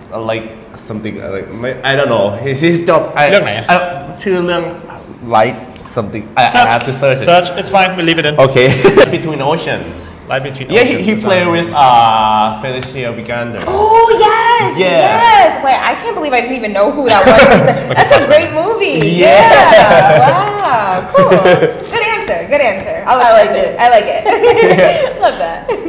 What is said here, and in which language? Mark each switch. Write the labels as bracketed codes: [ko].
[en] Like something like, I don't know. His job. [th] เรื่องไหนอ่ะ ชื่อเรื่อง Light something. [en] I have to search. Search. It's fine. We leave it in. Okay. Between Oceans. Light Between yeah, Oceans. Yeah, he played with Felicia Vigander. Oh yes. Yeah. Yes. Wait, I can't believe I didn't even know who that was. That's a great movie. Yeah. Wow. Cool. Good answer. I like it. Love that.